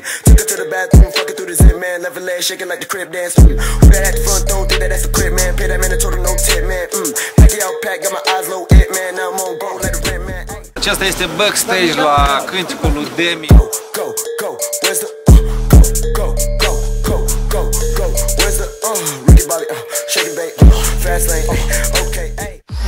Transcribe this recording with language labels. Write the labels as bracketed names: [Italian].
[English] Took her to the bathroom, fuck her through the zip, man. Left her leg shaking like the crib dance. Who that at the front don't think that that's a crib, man. Pay that man a total no tip, man. Pacquiao pack, got my eyes low, it, man. Now I'm on go, let the rip, man. [Romanian] Aceasta este backstage la cântecul lui Demi. [English] Go, go, go, where's the go, go, go, go, go, go, where's the Ricky Bobby, shake it, babe, fast lane, okay, ay.